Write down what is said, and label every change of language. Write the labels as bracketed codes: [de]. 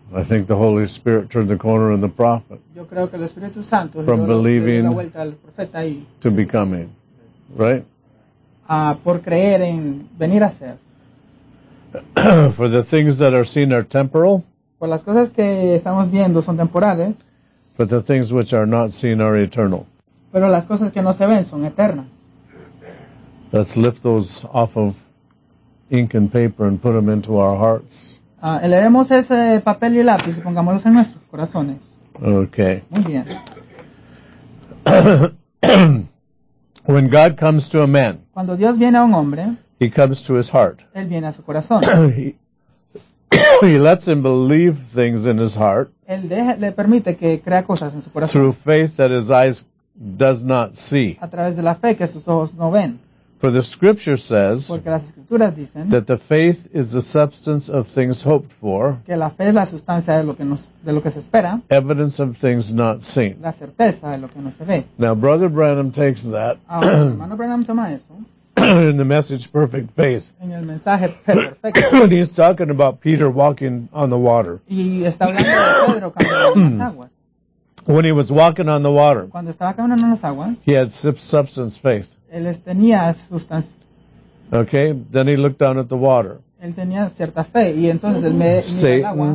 [en] I think the Holy Spirit turned the corner in the prophet. [es] Yo creo que el Espíritu Santo [en] from believing [es] la vuelta al profeta y, [en] to becoming. Right? [es] Por creer en venir a ser. [en] For the things that are seen are temporal. [es] Por las cosas que estamos viendo son temporales. [en] But the things which are not seen are eternal. [es] Pero las cosas que no se ven son eternas. [en] Let's lift those off of ink and paper and put them into our hearts. [es] Elevemos ese papel y lápiz y pongámoslos en nuestros corazones. [en] Okay. [es] Muy bien. [en] When God comes to a man, [es] cuando Dios viene a un hombre, [en] he comes to his heart. [es] Él viene a su corazón. [en] he lets him believe things in his heart. [es] Él le permite que crea cosas en su corazón. [en] Through faith that his eyes does not see. [es] A través de la fe que sus ojos no ven. [en] For the scripture says [es] porque las escrituras dicen [en] that the faith is the substance of things hoped for, [es] que la fe es la sustancia de lo que nos, de lo que se espera, [en] evidence of things not seen, [es] la certeza de lo que no se ve. [en] Now Brother Branham takes that [es] ahora, hermano Branham toma eso, [en] in the message Perfect Faith. [es] En el mensaje perfecto. [en] And he's talking about Peter walking on the water. [es] Y está hablando de Pedro caminando en las aguas. [en] When he was walking on the water, [es] cuando estaba caminando en las aguas, [en] he had substance faith. [es] Él tenía sustancia. [en] Okay, then he looked down at the water. [es] Él tenía cierta fe, y entonces él miró el agua.